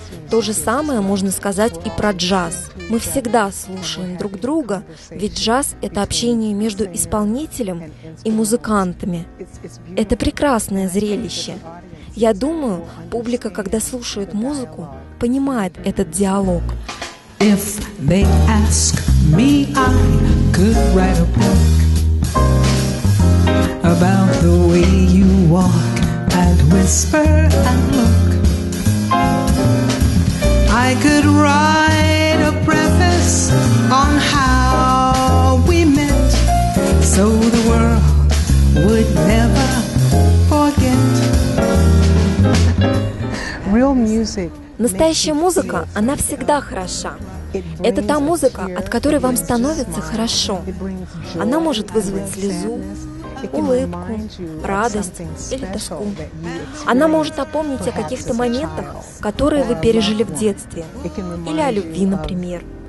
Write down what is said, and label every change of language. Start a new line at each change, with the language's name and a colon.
Russian: То же самое можно сказать и про джаз. Мы всегда слушаем друг друга, ведь джаз — это общение между исполнителем и музыкантами. Это прекрасное зрелище. Я думаю, публика, когда слушает музыку, понимает этот диалог.
English: If they ask me, I could write a book about the way you walk and whisper and look. I could write a preface on how we met, so the world would never forget. Real music.
Russian: Настоящая музыка, она всегда хороша. Это та музыка, от которой вам становится хорошо. Она может вызвать слезу, улыбку, радость или тоску. Она может напомнить о каких-то моментах, которые вы пережили в детстве, или о любви, например.